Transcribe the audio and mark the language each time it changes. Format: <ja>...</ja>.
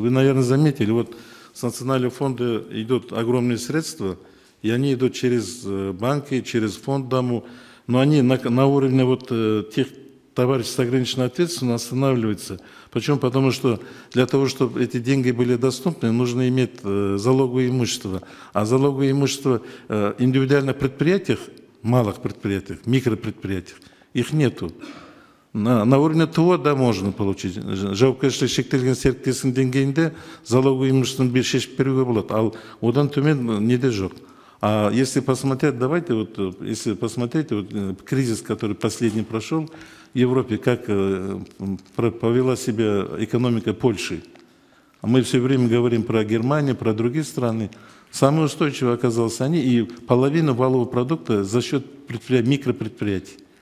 <ru>Вы, наверное, заметили, вот с национального фонда идут огромные средства, и они идут через банки, через фонд ДАМУ, но они на уровне вот тех товарищей с ограниченной ответственностью останавливаются. Почему? Потому что для того, чтобы эти деньги были доступны, нужно иметь залоговое имущество. А залоговое имущество индивидуальных предприятиях, малых предприятиях, микропредприятиях, их нету. На уровне ТО, да, можно получить.</ru> <kk>Жауапкершілігі шектелген серіктестің деңгейінде</kk> <ru>залоговое имущество</ru> <kk>5-6-1 болады. Ал одан төмен неде жоқ.</kk> <ru>А если посмотреть, давайте вот, если посмотреть, вот кризис, который последний прошел в Европе, как повела себя экономика Польши. Мы все время говорим про Германию, про другие страны. Самые устойчивые оказались они, и половину валового продукта за счет микропредприятий.</ru>